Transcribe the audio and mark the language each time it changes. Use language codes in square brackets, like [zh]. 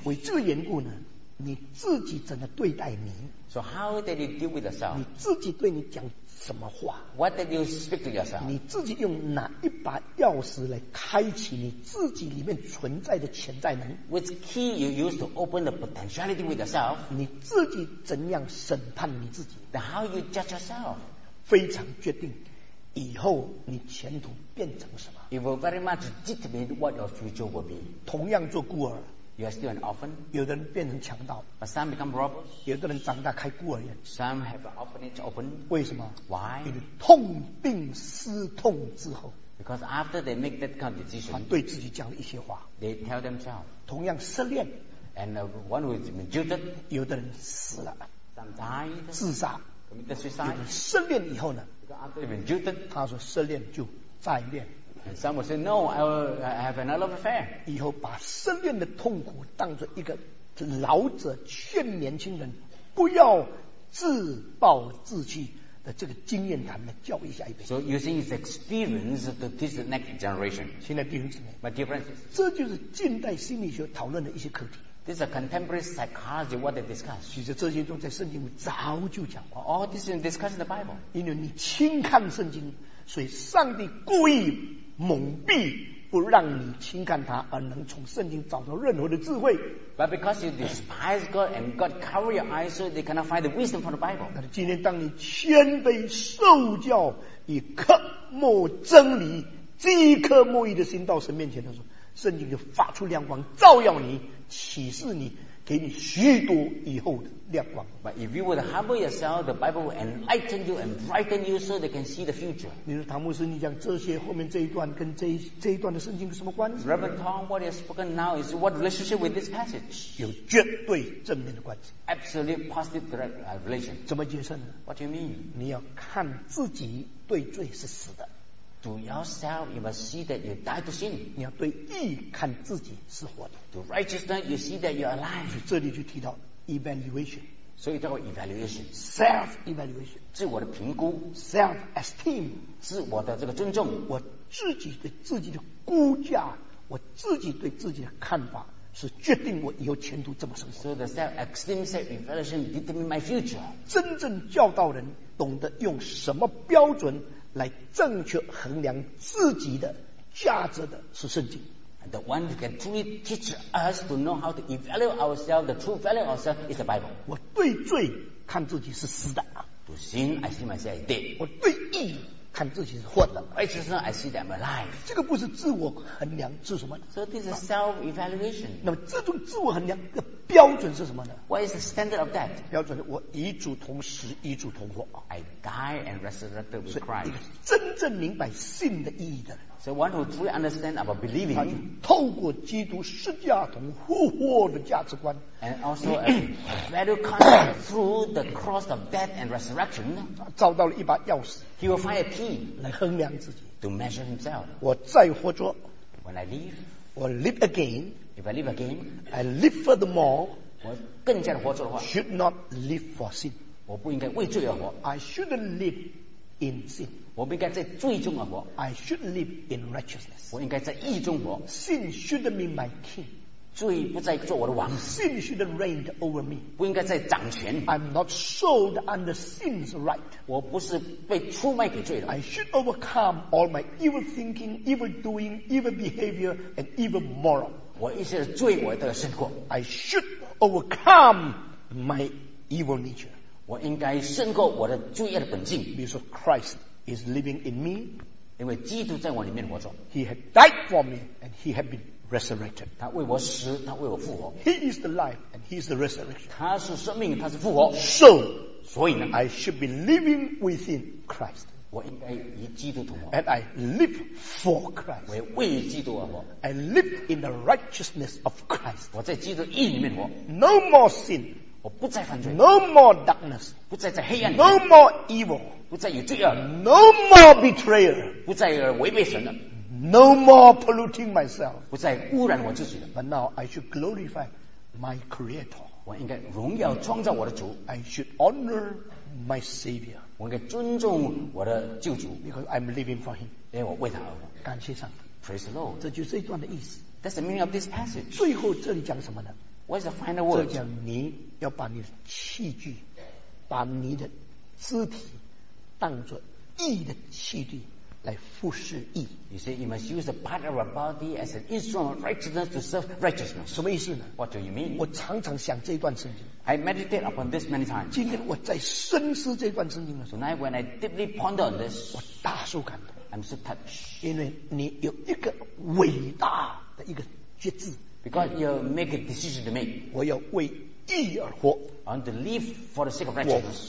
[zh] 为这个缘故呢，你自己怎么对待你？ [en] So how did you deal with yourself? [zh] 你自己对你讲什么话？ [en] What did you speak to yourself? [zh] 你自己用哪一把钥匙来开启你自己里面存在的潜在能？ [en] Which key you use to open the potentiality with yourself? [zh] 你自己怎样审判你自己？ [en] Then how you judge yourself? [zh] 非常决定以后你前途变成什么。 [en] It will very much determine what your future will be. [zh] 同样做孤儿。 [en] You are still an orphan. [zh] 有的人变成强盗。 [en] But some become robbers. [zh] 有的人长大开孤儿院。 [en] Some have an orphanage open. [zh] 为什么？ [en] Why? [zh] 因为痛并思痛之后。 [en] Because after they make that kind of decision. [zh] 他对自己讲了一些话。 [en] They tell themselves. [zh] 同样失恋。 [en] And one who is jilted. [zh] 有的人死了。 [en] Some died. [zh] 自杀。 [en] Committed suicide. [zh] 有的失恋以后呢？ [en] Because after they've been jilted. [zh] 他说失恋就再恋。 [en] And some will say, no, I have another love affair. [zh] 以后把失恋的痛苦当作一个老者劝年轻人不要自暴自弃的这个经验谈来教育下一辈。 [en] So using his experience to teach the next generation. [zh] 现在弟兄姊妹。 [en] My dear friends. [zh] 这就是近代心理学讨论的一些课题。 [en] This is a contemporary psychology what they discuss. [zh] 其实这些都在圣经早就讲过。 [en] All this is discussed in the Bible. [zh] 因为你轻看圣经。所以上帝故意蒙蔽不让你轻看他而能从圣经找到任何的智慧。 [en] But because you despise God and God cover your eyes so they cannot find the wisdom from the Bible. [zh] 但是今天当你谦卑受教以渴慕真理饥渴慕义的心到神面前的时候，圣经就发出亮光照耀你启示你给你许多以后的亮光。 [en] But if you would humble yourself, the Bible will enlighten you and brighten you so they can see the future. [zh] 你说唐牧师，你讲这些后面这一段跟这一段的圣经有什么关系？ [en] Reverend Tom, what you have spoken now is what relationship with this passage? [zh] 有绝对正面的关系。 [en] Absolute positive direct relation. [zh] 怎么解释呢？ [en] What do you mean? [zh] 你要看自己对罪是死的。 [en] To yourself, you must see that you died to sin. [zh] 你要对义看自己是活的。 [en] To righteousness, you see that you are alive. [zh] 这里就提到 evaluation. [en] So you talk about evaluation. Self-evaluation. [zh] 自我的评估。 [en] Self-esteem. [zh] 自我的这个尊重。我自己对自己的估价，我自己对自己的看法，是决定我以后前途怎么生活。 [en] So the self-esteem, self-evaluation determine my future. [zh] 真正教导人懂得用什么标准来正确衡量自己的价值的是圣经。 [en] And the one who can truly teach us to know how to evaluate ourselves, the true value of ourselves is the Bible. [zh] 我对罪看自己是死的。 [en] To sin, I see myself dead. [zh] 我对义看自己是活的。 [en] Righteousness, I see that I'm alive. [zh] 这个不是自我衡量，是什么？ [en] So this is self-evaluation. [zh] 那么这种自我衡量的标准是什么呢？ [en] What is the standard of that? [zh] 标准是我与主同死，与主同活。 [en] I die and resurrected with Christ. [zh] 一个真正明白信的意义的人。 [en] So one who truly understands about believing. [zh] 他透过基督十字架同复活的价值观。 [en] And also a value concept through the cross of death and resurrection. [zh] 找到了一把钥匙。 [en] He will find a key [zh] 来衡量自己。 [en] To measure himself. [zh] 我再活着。 [en] When I live. [zh] 我 [en] live again. If I live again. I live furthermore. [zh] 我更加的活着的话 [en] should not live for sin， [zh] 我不应该为罪而活。 [en] I shouldn't live in sin， [zh] 我不应该在罪中而活。 [en] I shouldn't live in righteousness， [zh] 我应该在义中活。 [en] Sin shouldn't be my king， [zh] 罪不再做我的王。 [en] Sin shouldn't reign over me， [zh] 不应该再掌权。 [en] I'm not sold under sin's right， [zh] 我不是被出卖给罪的。 [en] I should overcome all my evil thinking, evil doing, evil behavior, and evil moral， [zh] 我一切的罪我都要胜过。 [en] I should overcome my evil nature， [zh] 我应该胜过我的罪恶的本性。 [en] Because Christ is living in me， [zh] 因为基督在我里面活着。 [en] He had died for me, and he had beenresurrected， [zh] 他为我死，他为我复活。 [en] He is the life and he is the resurrection， [zh] 他是生命，他是复活。 [en] So， [zh] 所以呢 [en] ，I should be living within Christ， [zh] 我应该与基督同活。 [en] And I live for Christ， [zh] 我为基督而活。 [en] I live in the righteousness of Christ， [zh] 我在基督义里面活。 [en] No more sin， [zh] 我不再犯罪。 [en] No more darkness， [zh] 不再在黑暗里面。 [en] No more evil， [zh] 不再有罪恶。 [en] No more betrayal， [zh] 不再有违背神了。 [en] No more polluting myself， [zh] 不再污染我自己了。 [en] But now I should glorify my Creator， [zh] 我应该荣耀创造我的主。 [en] I should honor my Savior， [zh] 我应该尊重我的救主。 [en] Because I'm living for Him， [zh] 因为我为他而活。感谢上帝。 [en] Praise the Lord， [zh] 这就是这一段的意思。 [en] That's the meaning of this passage。 [zh] 最后这里讲什么呢 [en] ？What is the final word？ [zh] 这讲你要把你的器具，把你的肢体当作义的器具。来服侍义。 [en] You say you must use a part of our body as an instrument of righteousness to serve righteousness. [zh] 什么意思呢 [en] ？What do you mean？ [zh] 我常常想这段圣经。 [en] I meditate upon this many times. [zh] 今天我在深思这段圣经的时候 [en] ，Tonight when I deeply ponder on this， [zh] 我大受感动。 [en] I'm so touched. [zh] 因为你有一个伟大的一个决志。 [en] Because you make a decision to make， [zh] 我要为义而活。 [en] I want to live for the sake of righteousness。